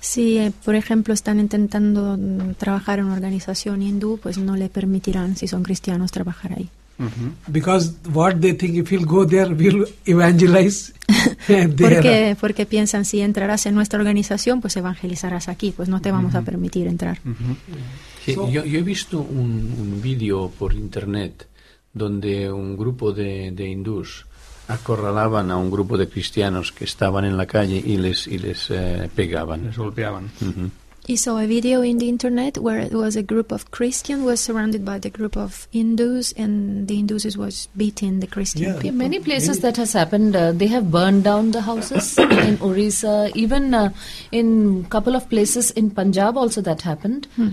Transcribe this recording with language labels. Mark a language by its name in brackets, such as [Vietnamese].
[Spanish] Si, por ejemplo, están intentando trabajar en una organización hindú, pues no le permitirán, si son cristianos, trabajar ahí. Mm-hmm. [English] Because what they think, if you'll go there, we'll evangelize there. [Spanish] Porque piensan, si entrarás en nuestra organización, pues evangelizarás aquí, pues no te vamos mm-hmm. a permitir entrar. Mm-hmm. Sí, yo he visto un vídeo por internet donde un grupo de hindús acorralaban a un grupo de cristianos que estaban en la calle y les pegaban, les golpeaban. Mm-hmm. [English] I saw a video in the internet where it was a group of Christians was surrounded by the group of Hindus and the Hindus was beating the Christian yeah, people. In many places that has happened, they have burned down the houses in Orissa, even in couple of places in Punjab also that happened.